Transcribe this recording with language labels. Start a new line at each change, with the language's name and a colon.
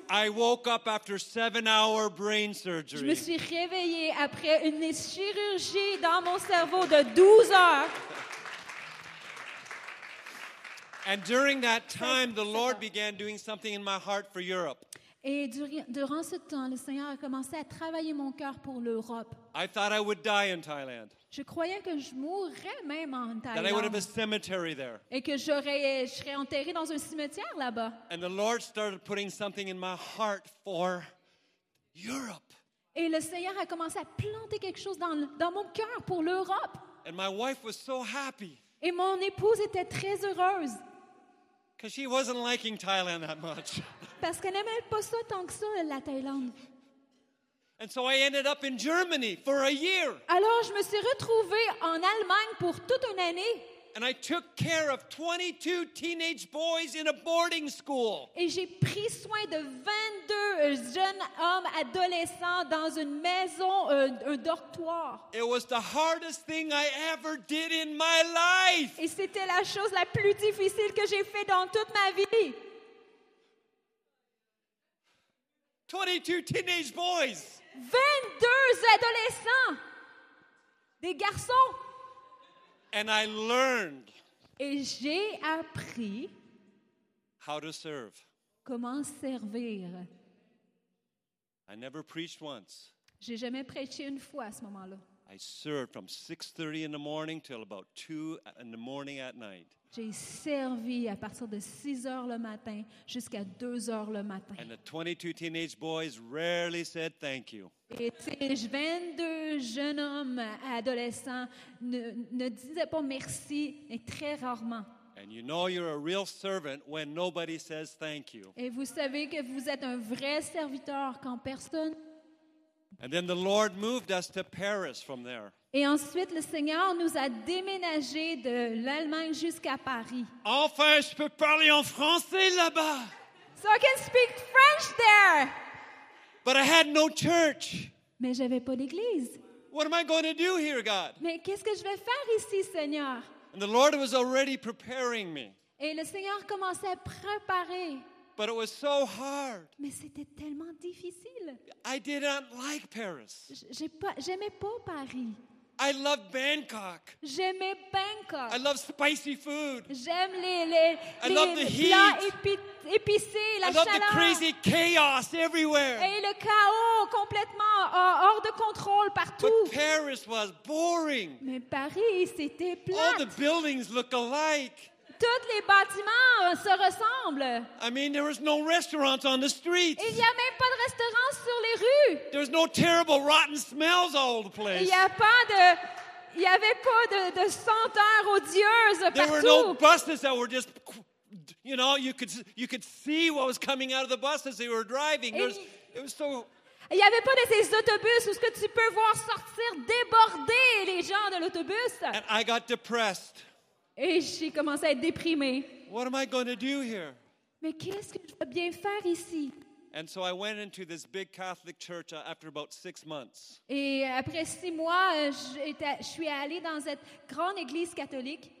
English: I woke up after 7-hour brain surgery.
French: Je me suis réveillée après une chirurgie dans mon cerveau de 12 heures.
English: And during that time, the Lord began doing something in my heart for Europe.
French: Et durant ce temps, le Seigneur a commencé à travailler mon cœur pour l'Europe.
English: I thought I would die in Thaïlande.
French: Je croyais que je mourrais même en Thaïlande.
English: That I would have a cemetery there.
French: Et que je serais enterré dans un cimetière là-bas.
English: And the Lord started putting something in my heart for Europe.
French: Et le Seigneur a commencé à planter quelque chose dans mon cœur pour l'Europe.
English: And my wife was so happy.
French: Et mon épouse était très heureuse.
English: Because she wasn't liking Thailand that much.
French: Parce qu'elle n'aimait pas ça tant que ça, la Thaïlande.
English: And so I ended up in Germany for a year.
French: Alors je me suis retrouvée en Allemagne pour toute une année.
English: And I took care of 22 teenage boys in a boarding school.
French: Et j'ai pris soin de 22 jeunes hommes adolescents dans une maison, un dortoir.
English: It was the hardest thing I ever did in my life.
French: Et c'était la chose la plus difficile que j'ai fait dans toute ma vie.
English: 22 teenage boys.
French: 22 adolescents. Des garçons.
English: And I learned.
French: Et j'ai appris.
English: How to serve.
French: Comment servir.
English: I never preached once.
French: J'ai jamais prêché une fois à ce moment-là.
English: I served from 6:30 in the morning till about 2 in the morning at night.
French: J'ai servi à partir de 6 heures le matin jusqu'à 2 heures le matin.
English: And the 22 teenage boys rarely said thank you.
French: Et ces 22 jeunes hommes adolescents ne disaient pas merci, et très rarement.
English: And you know you're a real servant when nobody says thank you.
French: Et vous savez que vous êtes un vrai serviteur quand personne.
English: And then the Lord moved us to Paris from there.
French: Et ensuite, le Seigneur nous a déménagé de l'Allemagne jusqu'à Paris. Enfin, je peux parler en français là-bas.
English: So I can speak French there. But I had no church.
French: Mais j'avais pas d'église.
English: What am I going to do here, God?
French: Mais qu'est-ce que je vais faire ici, Seigneur?
English: And the Lord was already preparing me.
French: Et le Seigneur commençait à préparer.
English: But it was so hard.
French: Mais c'était tellement difficile.
English: I did not like Paris.
French: J'aimais pas Paris.
English: I loved Bangkok.
French: J'aimais Bangkok.
English: I love spicy food.
French: J'aime les plats épicés, la chaleur.
English: I love the crazy chaos everywhere.
French: Et le chaos complètement hors de contrôle partout.
English: But Paris was boring.
French: Mais Paris, c'était plate.
English: All the buildings look alike.
French: Tous les bâtiments se ressemblent.
English: I mean, there was no restaurants on the streets.
French: Il n'y a même pas de restaurants sur les rues.
English: There was no terrible rotten smells all over the place.
French: Il n'y avait pas de senteur odieuse partout.
English: There were no buses that were just, you know, you could see what was coming out of the buses they were driving.
French: Il n'y avait pas de ces autobus où ce que tu peux voir sortir déborder les gens de l'autobus.
English: And I got depressed.
French: Et j'ai commencé à être déprimée.
English: What am I going to do here?
French: Mais qu'est-ce que je vais bien faire ici?
English: And so I went into this big Catholic church after about 6 months.
French: Et après 6 mois, je suis allée dans cette grande église catholique.